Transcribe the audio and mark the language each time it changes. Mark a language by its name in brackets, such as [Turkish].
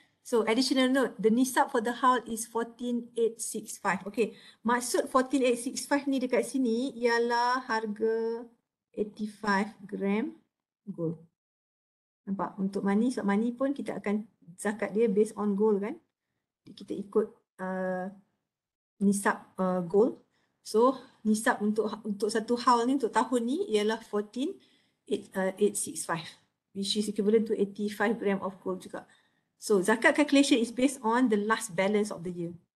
[English] So additional note, the nisab for the house is 14,865. [Malay] Okay, maksud 14,865 ni dekat sini ialah harga 85 gram gold. Nampak? Untuk money, sebab money pun kita akan zakat dia based on gold kan. Kita ikut nisab gold. So nisab untuk satu house ni, untuk tahun ni ialah 14,865. [English] Which is equivalent to 85 gram of gold juga. So zakat calculation is based on the last balance of the year.